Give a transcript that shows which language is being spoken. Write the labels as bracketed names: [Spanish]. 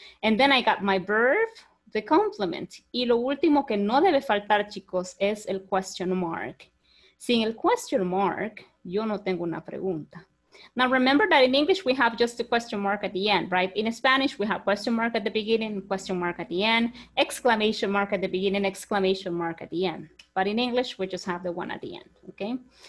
[English] And then I got my verb, the complement. [Spanish] Y lo último que no debe faltar, chicos, es el question mark. Sin el question mark, yo no tengo una pregunta. [English] Now remember that in English we have just a question mark at the end, right? In Spanish we have question mark at the beginning, question mark at the end, exclamation mark at the beginning, exclamation mark at the end. But in English we just have the one at the end, okay?